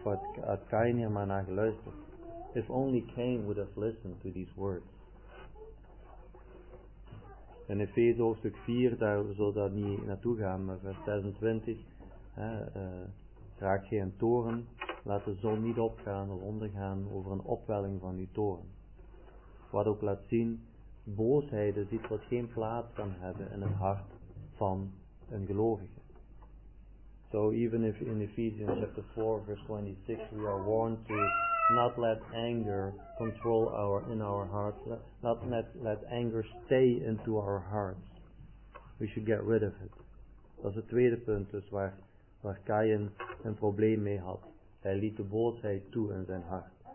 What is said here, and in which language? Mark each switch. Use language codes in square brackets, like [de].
[nl] Had Cain hier maar naar geluisterd. [en] If only Cain would have listened to these words. [nl] In Efeze hoofdstuk 4, daar zal dat niet naartoe gaan, maar vers 26, raak geen toren, laat de zon niet opgaan of ondergaan over een opwelling van uw toren. Wat ook laat zien, boosheid is iets wat geen plaats kan hebben in het hart van een gelovige. [en] So even if in Ephesians chapter 4 verse 26 we are warned to not let anger control our in our hearts, not let anger stay into our hearts. We should get rid of it. [nl] Dat is het tweede punt dus waar Caïn een probleem mee had. Hij liet de boosheid toe in zijn hart.